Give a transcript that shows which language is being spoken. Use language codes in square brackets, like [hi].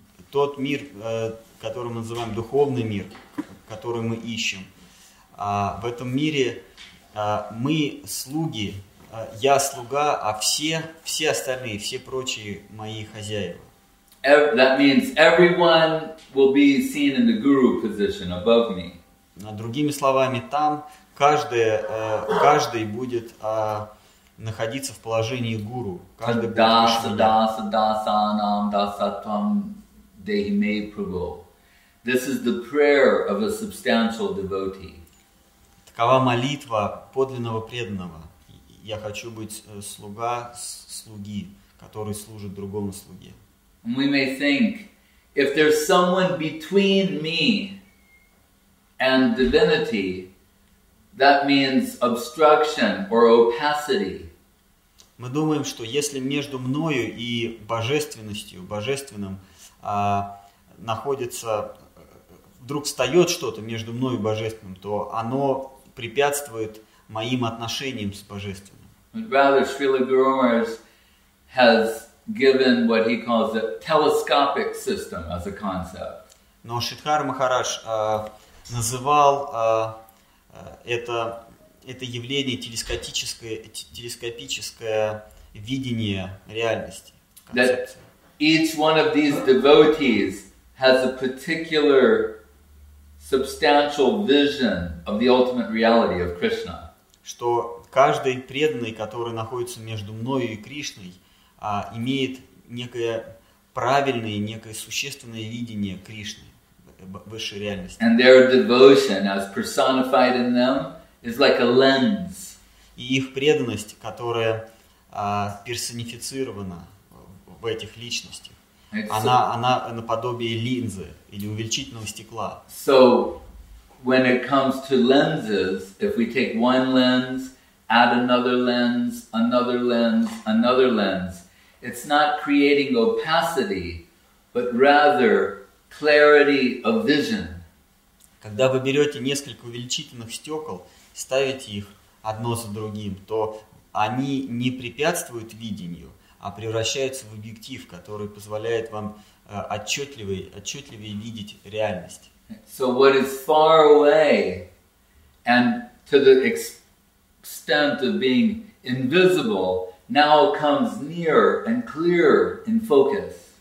[ru] Тот мир, который мы называем духовный мир, который мы ищем, в этом мире мы слуги, я слуга, а все остальные, все прочие мои хозяева. [en] That means everyone will be seen in the guru position above me. [ru] Другими словами, там каждый будет находиться в положении гуру. Каждый будет даса, даса, нам, даса, там, дейме прабху. [en] This is the prayer of a substantial devotee. [ru] Какова молитва подлинного преданного? Я хочу быть слуга слуги, который служит другому слуге. [en] We may think, if there's someone between me and divinity, that means obstruction or opacity. [ru] Мы думаем, что если между мною и божественностью, божественным, находится, вдруг встает что-то между мной и божественным, то оно препятствует моим отношениям с Божественным. [en] Rather, Srila Guru Maharaj has given what he calls a telescopic system as a concept. [ru] Но Шридхара Махарадж называл это явление телескопическое видение реальности. [en] Each one of these devotees has a particular substantial vision of the ultimate reality of Krishna. [ru] Что каждый преданный, который находится между мною и Кришной, имеет некое правильное, некое существенное видение Кришны, высшей реальности. [en] And their devotion, as personified in them, is like a lens. [ru] И их преданность, которая персонифицирована в этих личностях, она наподобие линзы или увеличительного стекла. [en] So, when it comes to lenses, if we take one lens, add another lens, another lens, another lens, it's not creating opacity, but rather clarity of vision. [ru] Когда вы берете несколько увеличительных стекол, ставите их одно за другим, то они не препятствуют видению, а превращаются в объектив, который позволяет вам отчетливее видеть реальность. [en] So what is far away and to the extent of being invisible now comes near and clear in focus.